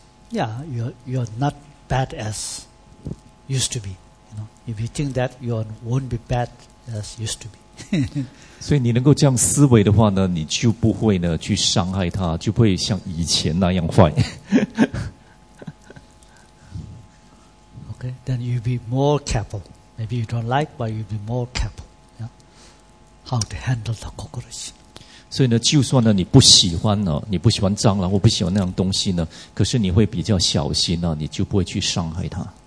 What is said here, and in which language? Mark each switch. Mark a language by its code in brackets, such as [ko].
[en] Yeah, you're not bad as used to be. You know, if you think that, you won't be bad as used to be. [zh] 所以你能够这样思维的话呢，你就不会呢去伤害它，就不会像以前那样坏。 [en] Then you'll be more careful. Maybe you don't like, but you'll be more careful. Yeah? How to handle the cockroach. [zh] 所以呢，就算呢你不喜欢蟑螂或不喜欢那样东西呢，可是你会比较小心呢，你就不会去伤害它。